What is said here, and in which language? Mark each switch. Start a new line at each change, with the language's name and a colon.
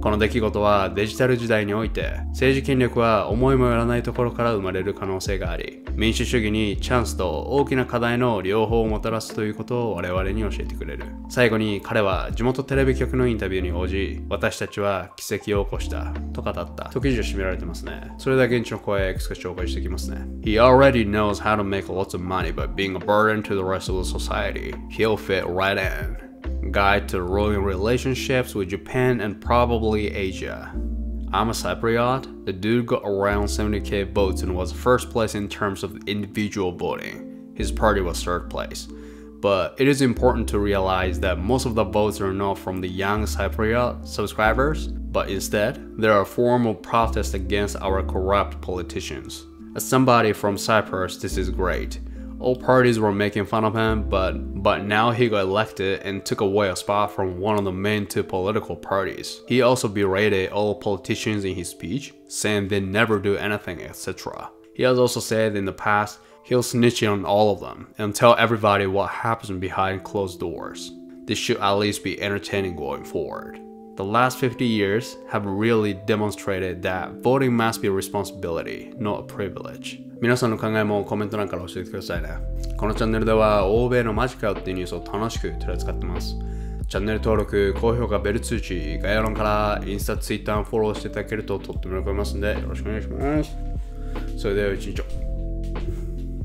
Japanese: この出来事はデジタル時代において政治権力は思いもよらないところから生まれる可能性があり、民主主義にチャンスと大きな課題の両方をもたらすということを我々に教えてくれる。最後に彼は地元テレビ局のインタビューに応じ、私たちは奇跡を起こしたと語った。時事を占められてますね。それでは現地の声いくつか紹介していきますね。
English: He already knows how to make lots of money by being a burden to the rest of the society. He'll fit right inGuide to ruining relationships with Japan and probably Asia. I'm a Cypriot. The dude got around 70,000 votes and was first place in terms of individual voting. His party was third place. But it is important to realize that most of the votes are not from the young Cypriot subscribers, but instead, they are a form of protest against our corrupt politicians. As somebody from Cyprus, this is great. All parties were making fun of him, but now he got elected and took away a spot from one of the main two political parties. He also berated all politicians in his speech, saying they never do anything, etc. He has also said in the past he'll snitch on all of them and tell everybody what happens behind closed doors. This should at least be entertaining going forward. The last 50 years have really demonstrated that voting must be a responsibility, not a privilege.
Japanese: 皆さんの考えもコメント欄から教えてくださいね。このチャンネルでは欧米のマジかよっていうニュースを楽しく取り扱ってます。チャンネル登録、高評価、ベル通知、概要欄からインスタ、ツイッターフォローしていただけるととっても喜びますんで、よろしくお願いします。それでは一日。